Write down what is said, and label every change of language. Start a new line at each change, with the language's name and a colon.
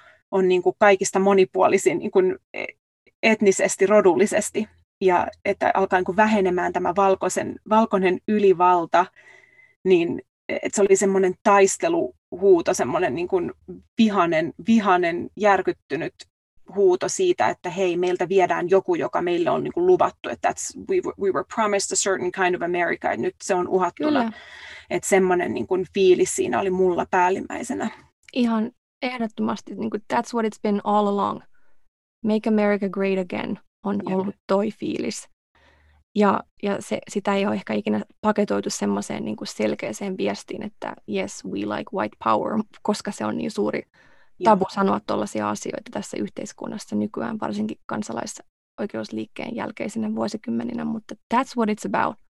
Finnish: on niin kuin kaikista monipuolisin niin kuin etnisesti, rodullisesti, ja että alkaa niin kuin vähenemään tämä valkoinen ylivalta, niin että se oli semmoinen taisteluhuuto, semmoinen niin kuin vihanen järkyttynyt huuto siitä, että hei, meiltä viedään joku, joka meille on niin kuin luvattu, että
English: we were promised a certain kind of America,
Finnish: ja nyt se on uhattuna. Että semmoinen niin kuin fiilis siinä oli mulla päällimmäisenä. Ihan ehdottomasti, niin kuin,
English: that's what it's been all along. Make America great again.
Finnish: On ollut toi fiilis. Ja sitä ei ole ehkä ikinä paketoitu semmoiseen niin kuin selkeäseen viestiin, että
English: yes, we like white power,
Finnish: koska se on niin suuri tabu sanoa tuollaisia asioita tässä yhteiskunnassa nykyään, varsinkin kansalaisoikeusliikkeen jälkeisenä vuosikymmeninä, mutta
English: that's what it's about.